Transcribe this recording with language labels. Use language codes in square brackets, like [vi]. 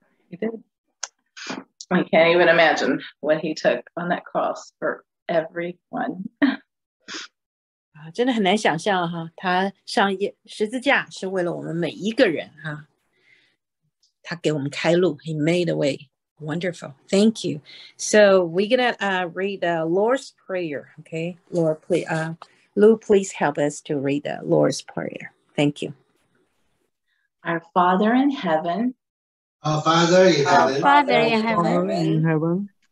[en] He did. I can't even imagine what he took on that cross for everyone. [zh] 真的很难想象，他上十字架是为了我们每一个人。他给我们开路。 [en] He made a way. Wonderful. Thank you. So we're going to read the Lord's Prayer. Okay. Lord, please, Lou, please help us to read the Lord's Prayer. Thank you. Our Father in heaven. Our Father in heaven. Our Father in heaven.